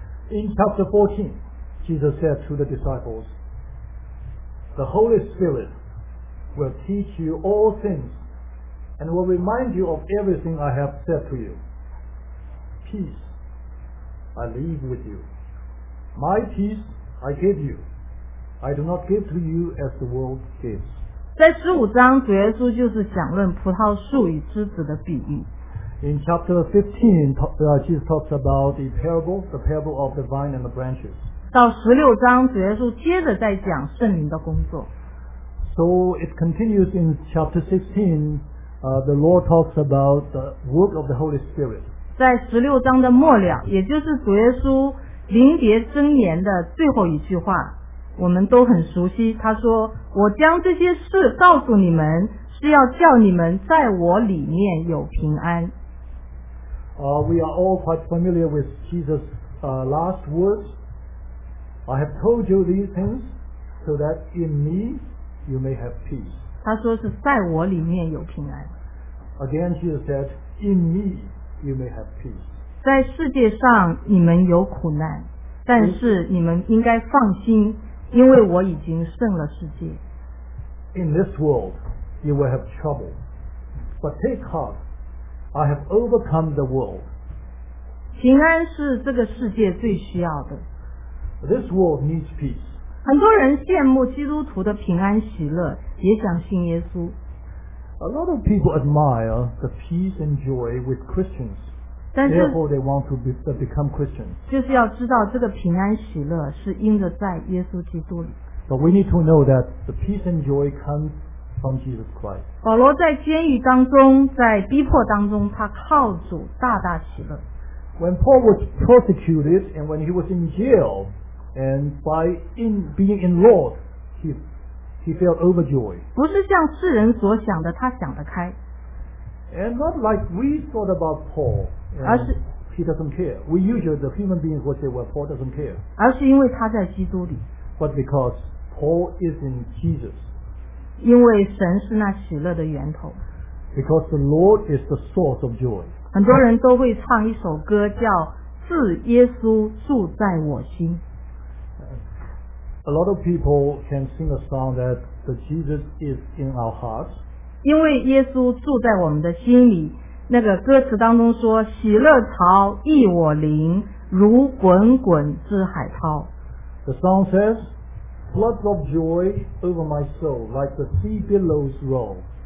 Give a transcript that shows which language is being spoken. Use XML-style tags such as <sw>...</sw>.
<en>In chapter 14, Jesus said to the disciples, The Holy Spirit will teach you all things and will remind you of everything I have said to you. Peace, I leave with you. My peace, I give you. I do not give to you as the world gives.</en> <zh>在十五章，主耶稣就是讲论葡萄树与枝子的比喻。</zh> <en>In chapter 15, Jesus talks about the parable of the vine and the branches.</en> <zh>到十六章，主耶稣接着在讲圣灵的工作。</zh> <en>So it continues in chapter 16, the Lord talks about the work of the Holy Spirit.</en> <zh>在十六章的末了，也就是主耶稣临别箴言的最后一句话，我们都很熟悉。他说：“我将这些事告诉你们，是要叫你们在我里面有平安。”</zh> <en>We are all quite familiar with Jesus' last words. I have told you these things so that in me you may have peace.</en> <zh>他说是在我里面有平安。</zh> <en>Again, Jesus said, "In me." You may have peace.</en> <zh>在世界上你们有苦难，但是你们应该放心，因为我已经胜了世界。</zh> <en>In this world you will have trouble, but take heart, I have overcome the world.</en> <zh>平安是这个世界最需要的。</zh> <en>This world needs peace.</en> <zh>很多人羡慕基督徒的平安喜乐，也想信耶稣。</zh> <en>A lot of people admire the peace and joy with Christians. Therefore, they want to become Christians.</en> <zh>就是要知道这个平安喜乐是因着在耶稣基督里。</zh> <en>But we need to know that the peace and joy comes from Jesus Christ.</en> <zh>保罗在监狱当中，在逼迫当中，他靠主大大喜乐。</zh> <en>When Paul was persecuted and when he was in jail, and by being in Lord, he felt overjoyed.</en> <zh>不是像世人所想的，他想得开。</zh> <en>And not like we thought about Paul. He doesn't care. We usually, the human beings would say, well, Paul doesn't care.</en> <zh>而是因为他在基督里。</zh> <en>But because Paul is in Jesus.</en> <zh>因为神是那喜乐的源头。</zh> <en>Because the Lord is the source of joy.</en> <zh>很多人都会唱一首歌叫《自耶稣住在我心》。</zh> <en>A lot of people can sing a song that the Jesus is in our hearts.</en> <zh>因为耶稣住在我们的心里，那个歌词当中说，喜乐潮溢我灵，如滚滚之海涛。</zh> <en>The song says, floods of joy over my soul, like the sea billows roll.</en>